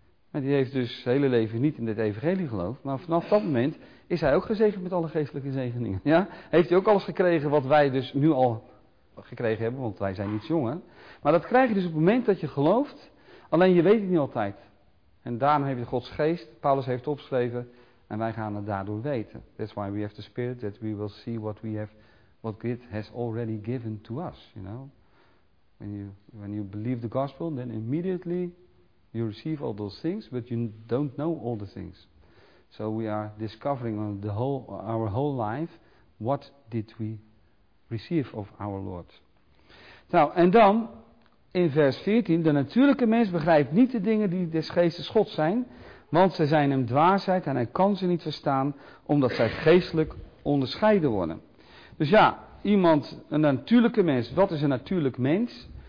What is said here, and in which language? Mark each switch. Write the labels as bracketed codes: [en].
[nl] Maar die heeft dus zijn hele leven niet in het evangelie geloofd. Maar vanaf dat moment is hij ook gezegend met alle geestelijke zegeningen. Ja? Heeft hij ook alles gekregen wat wij dus nu al gekregen hebben, want wij zijn iets jonger. Maar dat krijg je dus op het moment dat je gelooft, alleen je weet het niet altijd. En daarom heb je Gods geest, Paulus heeft opgeschreven, en wij gaan het daardoor weten. [en] That's why we have the spirit, that we will see what we have, what God has already given to us, you know. When you believe the gospel, then immediately you receive all those things, but you don't know all the things. So we are discovering on the whole, our whole life, what did we receive of our Lord. [nl] Nou, en dan in vers 14, de natuurlijke mens begrijpt niet de dingen die des geestes God zijn, want ze zijn hem dwaasheid en hij kan ze niet verstaan, omdat zij geestelijk onderscheiden worden. Dus ja, iemand, een natuurlijke mens, wat is een natuurlijk mens?